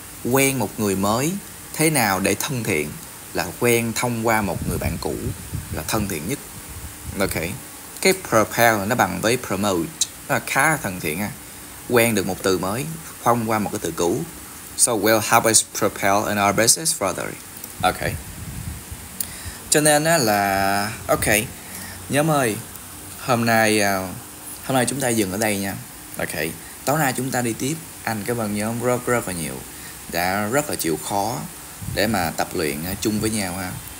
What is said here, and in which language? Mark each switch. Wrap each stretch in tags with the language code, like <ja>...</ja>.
<vi>Quen một người mới thế nào để thân thiện, là quen thông qua một người bạn cũ là thân thiện nhất. Ok, cái propel nó bằng với promote, nó khá là thân thiện á. Quen được một từ mới thông qua một cái từ cũ.</vi> <en>So we'll help us propel and our business further.</en> <vi>Ok, cho nên là ok nhóm ơi, hôm nay chúng ta dừng ở đây nha. Ok, tối nay chúng ta đi tiếp. Anh cảm ơn nhóm rất là nhiều đã rất là chịu khó để mà tập luyện chung với nhau ha.</vi>